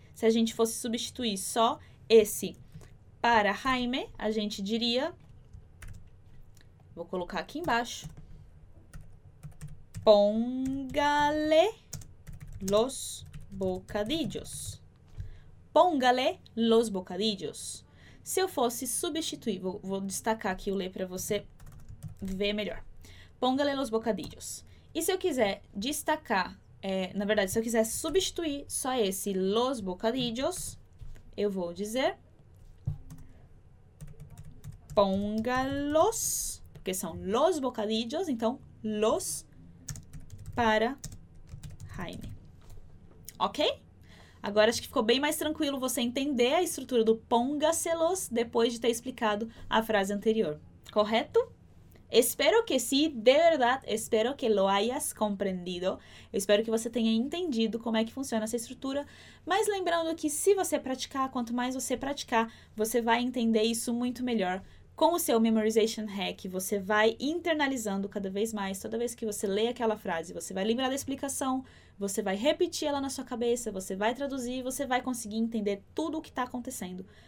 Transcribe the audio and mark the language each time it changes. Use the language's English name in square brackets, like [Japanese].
[Portuguese] Se a gente fosse substituir só esse para Jaime, a gente diria, vou colocar aqui embaixo, [Spanish] póngale los bocadillos. Póngale los bocadillos. [Portuguese] Se eu fosse substituir, vou destacar aqui o le para você ver melhor. [Spanish] Póngale los bocadillos. [Portuguese] E se eu quiser destacar, na verdade, se eu quiser substituir só esse [Spanish] los bocadillos, [Portuguese] eu vou dizer póngalos, porque são los bocadillos, então los para Jaime. Ok? Agora acho que ficou bem mais tranquilo você entender a estrutura do póngaselos depois de ter explicado a frase anterior. Correto? Espero que sim, de verdade, [Spanish] espero que lo hayas comprendido. [Portuguese] Eu espero que você tenha entendido como é que funciona essa estrutura. Mas lembrando que se você praticar, quanto mais você praticar, você vai entender isso muito melhor. Com o seu [English] memorization hack, [Portuguese] você vai internalizando cada vez mais. Toda vez que você lê aquela frase, você vai lembrar da explicação, você vai repetir ela na sua cabeça, você vai traduzir, você vai conseguir entender tudo o que está acontecendo.